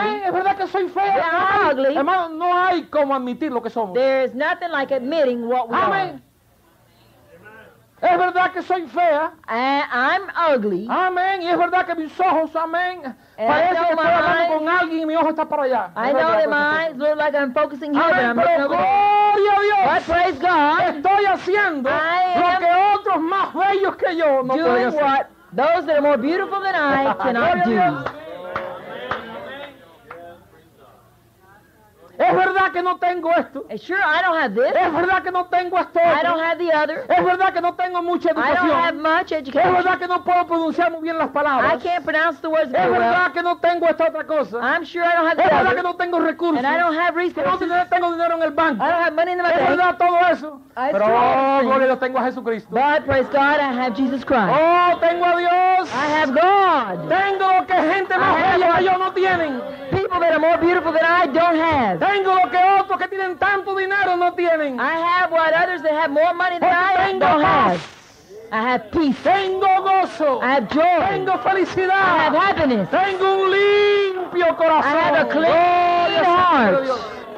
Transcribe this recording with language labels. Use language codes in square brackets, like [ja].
[es] Amén, es verdad que soy fea. [en] Yeah, I'm ugly. [es] Hermano, no hay como admitir lo que somos. [en] There is nothing like admitting what we [es] Amén. Amén. Es verdad que soy fea. [en] I'm ugly. [es] Amén. Y es verdad que mis ojos, amén. Parece que estoy hablando con alguien y mi ojo está para allá. [en] I know that my eyes look like I'm focusing here. [es] Amén. Pero gloria a Dios. [en] But praise God. [es] Estoy haciendo lo que otros más bellos que yo no pueden hacer. [en] Doing what those that are more beautiful than I cannot do. [es] Es verdad que no tengo esto? [en] Sure, I don't have this. [es] ¿Es verdad que no tengo esto? [en] I don't have the other. [es] ¿Es verdad que no tengo mucha educación? [en] I don't have much education. [es] ¿Es verdad que no puedo pronunciar muy bien las palabras? [en] I can't pronounce the words. [es] ¿Es verdad que no tengo esta otra cosa? [en] I'm sure I don't have the other. [es] ¿Es verdad que no tengo recursos? [en] And I don't have resources. [es] No tengo dinero en el banco. [en] I don't have money in the bank. [es] ¿Es verdad todo eso? Pero gloria, yo tengo a Jesucristo. [en] But praise God, I have Jesus Christ. [es] Oh, tengo a Dios. [en] I have God. [es] Tengo lo que gente más bella que yo no tienen. [en] People that are more beautiful than I don't have. [es] Tengo lo que otros que tienen tanto dinero no tienen. [en] I have what others that have more money than [es] porque [en] I don't [es] paz. [en] Have. I have peace. [es] Tengo gozo. [en] I have joy. [es] Tengo felicidad. [en] I have happiness. [es] Tengo un limpio corazón. [en] I have a clean [es] gloria, [en] heart.